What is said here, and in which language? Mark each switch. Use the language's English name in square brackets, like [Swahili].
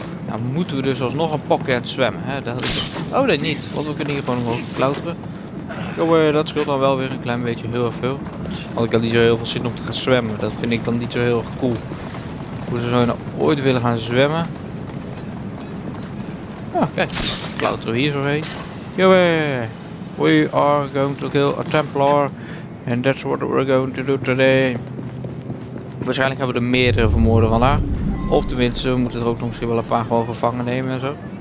[Dutch] dan moeten we dus alsnog een pocket zwemmen, hè? Dat is... Oh, dat niet, want we kunnen hier gewoon omhoog klauteren. Jongen, dat scheelt dan wel weer een klein beetje heel erg veel. Want ik had niet zo heel veel zin om te gaan zwemmen. Dat vind ik dan niet zo heel erg cool. Hoe ze zouden ooit willen gaan zwemmen. Ja, kijk. Klauteren we hier zo heen. [English] Jongen, we are going to kill a Templar. And that's what we're going to do today. [Dutch] Waarschijnlijk hebben we er meerdere vermoorden vandaag. Of tenminste, we moeten er ook nog misschien wel een paar gewoon gevangen nemen en zo.